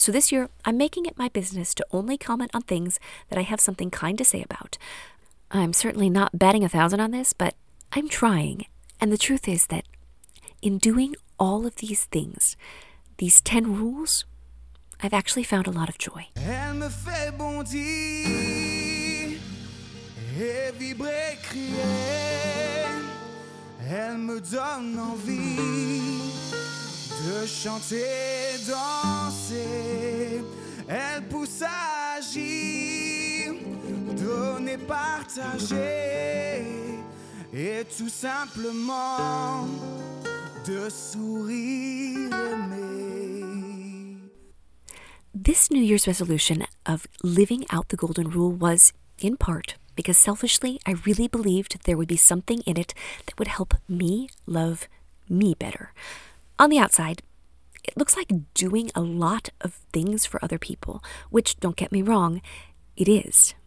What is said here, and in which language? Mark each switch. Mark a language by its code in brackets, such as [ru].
[en] So this year, I'm making it my business to only comment on things that I have something kind to say about. I'm certainly not betting 1,000 on this, but I'm trying. And the truth is that in doing all of these things, these 10 rules, I've actually found a lot of joy. [fr] And me fait bondir et vibrer crier. Elle me donne envie de chanter, danser. Elle pousse à agir, donner, partager. Et tout simplement de sourire aimer. [en] This New Year's resolution of living out the golden rule was, in part, because selfishly, I really believed there would be something in it that would help me love me better. On the outside, it looks like doing a lot of things for other people, which, don't get me wrong, it is.